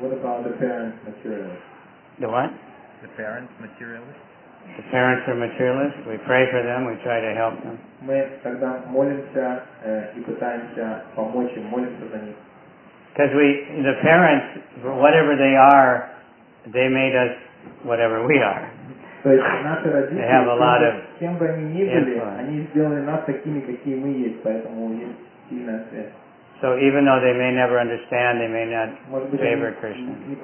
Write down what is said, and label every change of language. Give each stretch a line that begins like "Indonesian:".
English: What about the parents materialists? The what? The parents materialists? The parents are materialists. We pray for them. We try to help them.
Russian: Мы тогда молимся и пытаемся помочь им, молимся за них.
English: Because we, the parents, whatever they are, they made us whatever we are.
Russian: То есть наши родители,
English: they have a lot of
Russian: кем бы они ни были, они сделали нас такими, какие мы есть, поэтому есть сильная связь.
English: So even though they may never understand, they may not favor Krishna.